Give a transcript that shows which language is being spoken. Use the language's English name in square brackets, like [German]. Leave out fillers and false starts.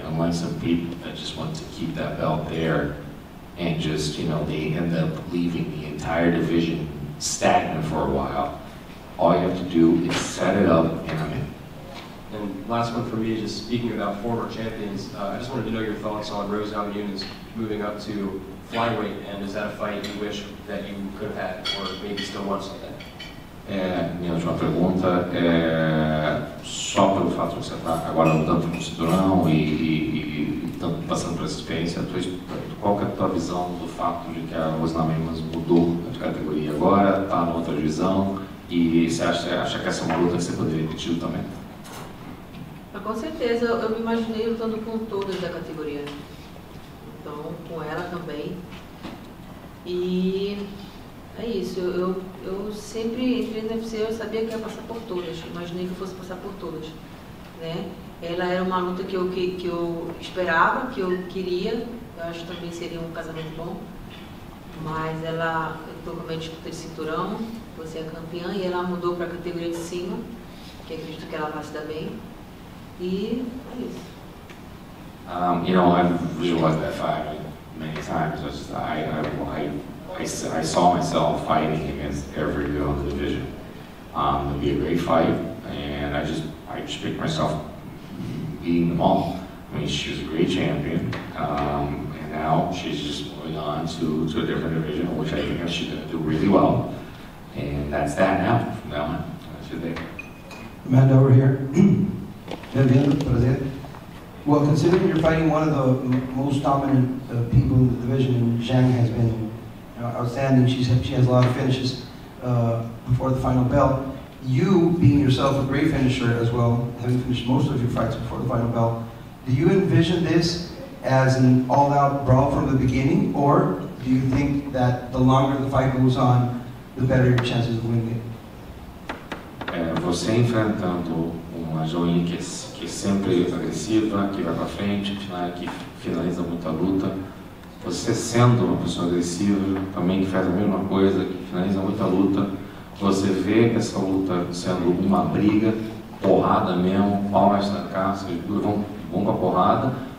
[English] I want some people that just want to keep that belt there. And just, you know, they end up leaving the entire division stagnant for a while. All you have to do is set it up, and I'm in. And last one for me, just speaking about former champions, I just wanted to know your thoughts on Rose Namajunas moving up to flyweight, and is that a fight you wish that you could have had, or maybe still want something? [Portuguese] Minha última pergunta é só pelo fato de você estar agora lutando no cinturão e passando por essa experiência, qual que é a tua visão do fato de que a Rose Namajunas mudou a tua categoria agora, está em outra divisão, e você acha que essa é uma luta que você poderia ter tido também? Com certeza, eu me imaginei lutando com todas da categoria, então com ela também, e é isso, eu sempre entrei na UFC, eu sabia que ia passar por todas, imaginei que eu fosse passar por todas, né? Ela era uma luta que eu esperava, que eu queria, eu acho que também seria um casamento bom, mas ela, eu tô com a minha disputa de cinturão, você é campeã, e ela mudou para a categoria de cima, que acredito que ela vai se dar bem. [English] You know, I've realized that fight many times. I saw myself fighting against every girl in the division. It'd be a great fight, and I just picked myself beating them all. I mean, she was a great champion, and now she's just moving on to a different division, which I think she's gonna do really well. And that's that now. From now on, that's your thing. Amanda over here. [Portuguese] Bem-vindo, prazer. [English] Well, considering you're fighting one of the most dominant people in the division, Zhang has been outstanding. She has a lot of finishes before the final bell. You, being yourself a great finisher as well, having finished most of your fights before the final bell, do you envision this as an all-out brawl from the beginning, or do you think that the longer the fight goes on, the better your chances of winning it? [Portuguese] Você enfrentando uma Joinha que sempre é agressiva, que vai para frente, que finaliza muita luta. Você sendo uma pessoa agressiva, também que faz a mesma coisa, que finaliza muita luta. Você vê essa luta sendo uma briga, porrada mesmo, pau mais na caça, vão com a porrada.